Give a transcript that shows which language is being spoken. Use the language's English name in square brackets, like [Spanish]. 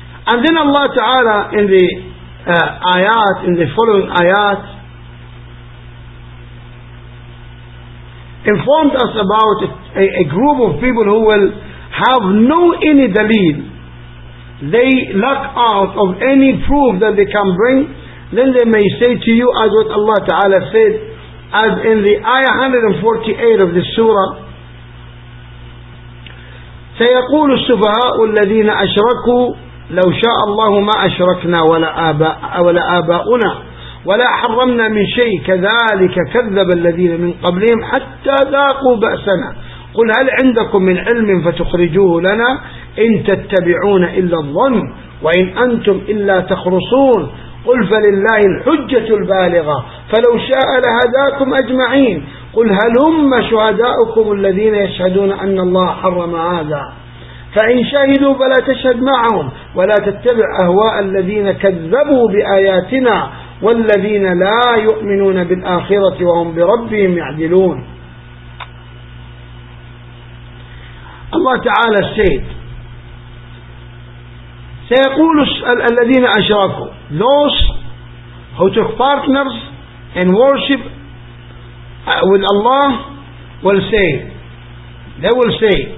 [English] And then Allah Ta'ala in the ayat, in the following ayat, informed us about a group of people who will have no any dalil. They lack out of any proof that they can bring. Then they may say to you, as what Allah Ta'ala said, as in the ayah 148 of the surah, [Arabic] سَيَقُولُ السُّفَهَاءُ الَّذِينَ أَشْرَكُوا لو شاء الله ما أشركنا ولا آباؤنا ولا حرمنا من شيء كذلك كذب الذين من قبلهم حتى ذاقوا بأسنا قل هل عندكم من علم فتخرجوه لنا إن تتبعون إلا الظن وإن أنتم إلا تخرصون قل فلله الحجة البالغة فلو شاء لهداكم أجمعين قل هل هم شهداؤكم الذين يشهدون أن الله حرم هذا فإن شهدوا فلا تشهد معهم ولا تتبع أهواء الذين كذبوا بآياتنا والذين لا يؤمنون بالآخرة وهم بربهم يعدلون. [English] الله تعالى said, [Arabic] سيقول الذين أشركوا, [English] those who took partners in worship with Allah will say, they will say,